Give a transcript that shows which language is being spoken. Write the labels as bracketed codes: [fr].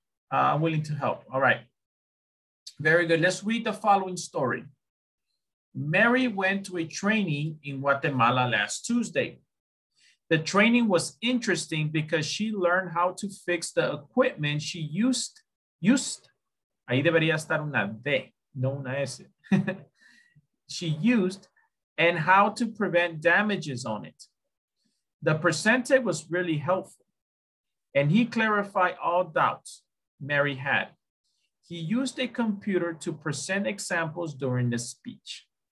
[en] Unwilling to help. All right. Very good. Let's read the following story. Mary went to a training in Guatemala last Tuesday. The training was interesting because she learned how to fix the equipment she used. [es] Ahí debería estar una D, no una S. [en] She used, and how to prevent damages on it. The presenter was really helpful, and he clarified all doubts Mary had. He used a computer to present examples during the speech.